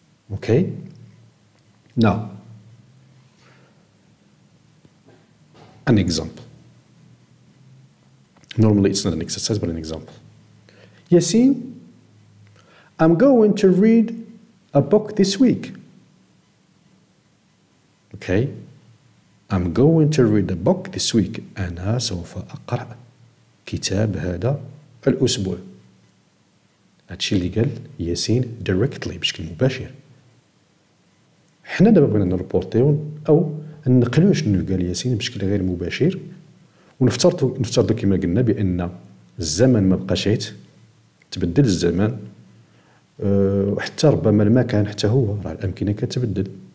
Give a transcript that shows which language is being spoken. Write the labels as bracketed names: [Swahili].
[English] Okay now an example normally it's not an exercise بس an example. ياسين I'm going to read a book this week. Okay, I'm going to read a book this week. [Arabic] أنا سوف أقرأ كتاب هذا الأسبوع. هادشي اللي قال ياسين directly بشكل مباشر. حنا دابا بغينا نربورتيو أو ننقلو شنو قال ياسين بشكل غير مباشر ونفترضو كما قلنا بأن الزمن ما بقاش عيت تبدل الزمن وحتى ربما المكان حتى هو راه الأمكنة كتبدل.